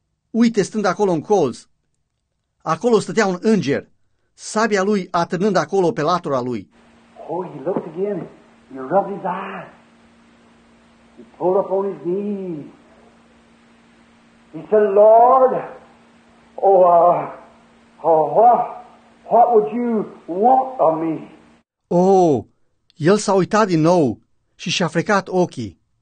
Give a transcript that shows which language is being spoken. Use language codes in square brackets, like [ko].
[ro] Uite, stând acolo în colț. Acolo stătea un înger. Sabia lui atârnând acolo pe latura lui. [en] Oh, he looked again. He rubbed his eyes. He pulled up on his knees. He said, Lord, what would you want of me? [ro] Oh, el s-a uitat din nou și și-a frecat ochii.